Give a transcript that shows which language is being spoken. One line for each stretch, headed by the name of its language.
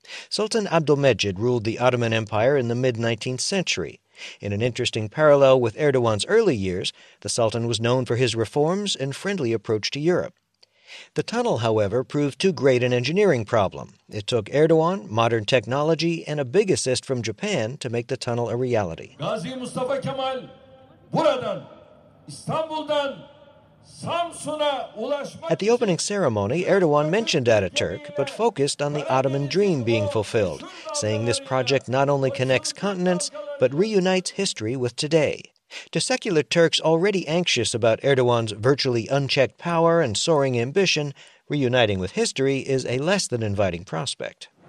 English: Sultan Abdülmecid ruled the Ottoman Empire in the mid-19th century. In an interesting parallel with Erdogan's early years, the sultan was known for his reforms and friendly approach to Europe. The tunnel, however, proved too great an engineering problem. It took Erdogan, modern technology, and a big assist from Japan to make the tunnel a reality.
Turkish: Gazi Mustafa Kemal, buradan, İstanbul'dan, Samsun'a ulaşmak.
English: At the opening ceremony, Erdogan mentioned Ataturk, but focused on the Ottoman dream being fulfilled, saying this project not only connects continents, but reunites history with today. To secular Turks already anxious about Erdogan's virtually unchecked power and soaring ambition, reuniting with history is a less than inviting prospect.